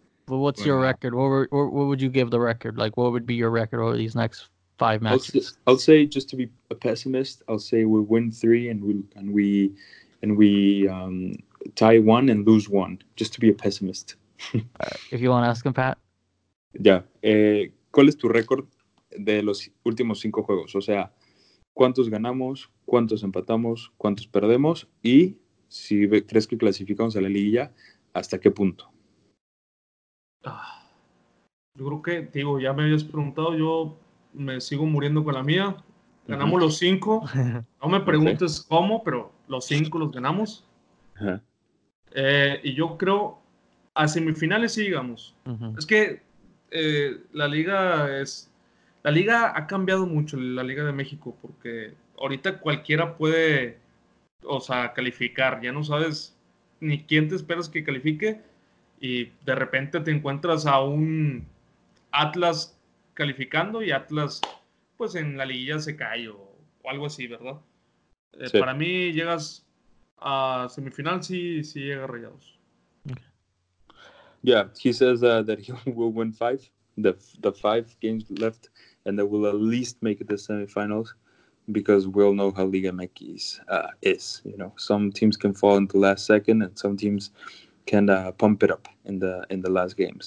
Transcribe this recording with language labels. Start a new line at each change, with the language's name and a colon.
English: But what's your record? What would you give the record? Like, what would be your record over these next five matches? I'll say, just to be a pessimist, I'll say we win three and we tie one and lose one. Just to be a pessimist. If you want to ask him, Pat. Yeah.
Spanish: ¿Cuál es tu récord de los últimos cinco juegos? O sea, ¿cuántos ganamos? ¿Cuántos empatamos? ¿Cuántos perdemos? Y si crees que clasificamos a la liguilla, ¿hasta qué punto? Yo creo que, digo, ya me habías preguntado, yo me sigo muriendo con la mía. Ganamos los cinco. No me preguntes cómo, pero los cinco los ganamos. Y yo creo, a semifinales sí llegamos. Es que la liga ha cambiado mucho, la Liga de México, porque ahorita cualquiera puede, o sea, calificar. Ya no sabes ni quién te esperas que califique. Y de repente te encuentras a un Atlas calificando y Atlas, pues en la liguilla se cae o algo así, ¿verdad? Sí. Para mí, llegas a semifinal, sí llega Rayados.
English: Yeah, he says that he will win five, the five games left, and they will at least make it the semifinals, because we all know how Liga MX is. You know, some teams can fall in the last second and some teams can pump it up in the last games.